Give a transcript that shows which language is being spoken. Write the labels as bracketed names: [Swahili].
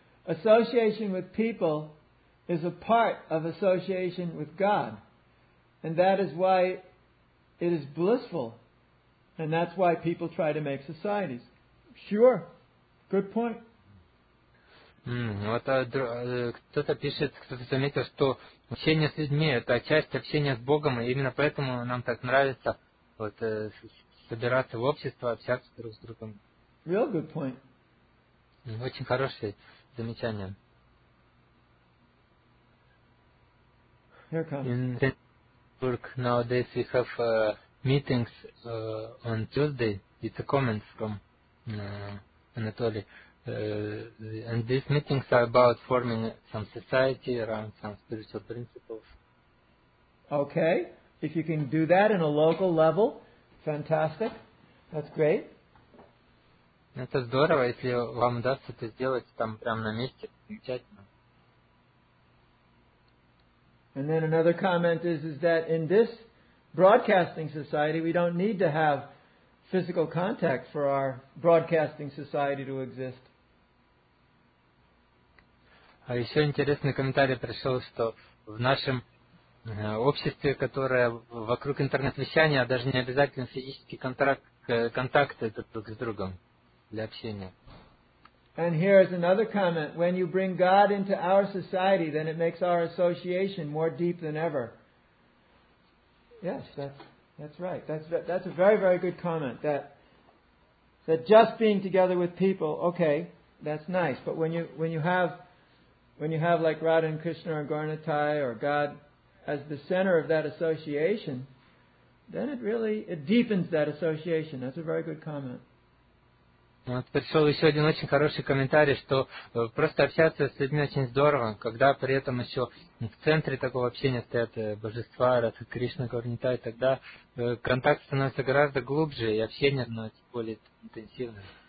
[English] Association with people is a part of association with God. And that is why it is blissful. And that's why people try to make societies. Sure. Good point. [Russian] Вот кто-то пишет, кто-то заметил, что общение с людьми – это часть общения с Богом, и именно поэтому нам так нравится вот собираться в общество, общаться друг с другом. [English] Real good point. [Russian] Очень хорошее замечание. [English] Here comes. In Denmark nowadays we have meetings on Tuesday. It's a comment from Anatoly. And these meetings are about forming some society around some spiritual principles. Okay. If you can do that in a local level, fantastic. That's great. [Russian] Это здорово, если вам удастся это сделать там прямо на месте. Замечательно. [English] And then another comment is that in this broadcasting society, we don't need to have physical contact for our broadcasting society to exist. [Russian] А еще интересный комментарий пришел, что в нашем обществе, которое вокруг интернет-вещания, даже не обязательно физический контакт друг с другом для общения. [English] And here is another comment. When you bring God into our society, then it makes our association more deep than ever. Yes, that's right. That's a very, very good comment. That just being together with people, okay, that's nice. But when you have like Radha and Krishna or Gaurinathai or God as the center of that association, then it really deepens that association. That's a very good comment. [Russian] Вот пришел еще один очень хороший комментарий, что просто общаться с людьми очень здорово, когда при этом еще в центре такого общения стоят божества, Радха Кришна, Гаурнитай, тогда контакт становится гораздо глубже и общение становится более интенсивным.